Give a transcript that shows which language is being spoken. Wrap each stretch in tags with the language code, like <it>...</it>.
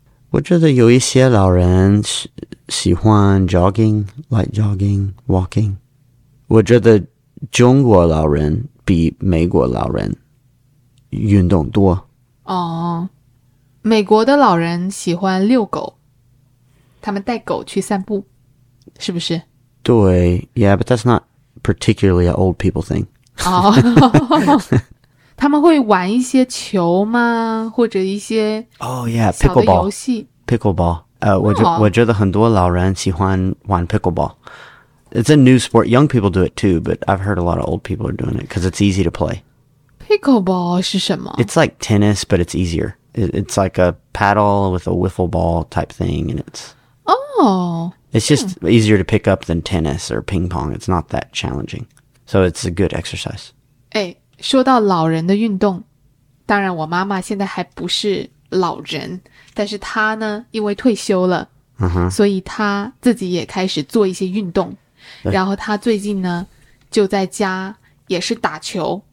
<zh>我觉得有一些老人喜欢</zh> <en>jogging, light jogging, walking.</en> <zh>我觉得中国老人比美国老人运动多。哦，美国的老人喜欢遛狗，他们带狗去散步，是不是？</zh> <en>对， yeah, but that's not particularly an old people thing.</en> <zh>哦，他们会玩一些球吗？或者一些</zh> <en>Oh yeah, pickleball.</en> <zh>小的游戏。 Pickleball. 我觉得很多老人喜欢玩 pickleball.</zh> <en>It's a new sport. Young people do it too, but I've heard a lot of old people are doing it because it's easy to play.</en> <zh>Pickleball 是什么？</zh> <en>It's like tennis, but it's easier. It's like a paddle with a wiffle ball type thing, and it's... Oh! It's just easier to pick up than tennis or ping pong. It's not that challenging. So it's a good exercise.</en> <zh>哎，说到老人的运动，当然我妈妈现在还不是老人，但是他呢因为退休了、 uh-huh. 所以他自己也开始做一些运动，然后他最近呢就在家也是打球、</zh>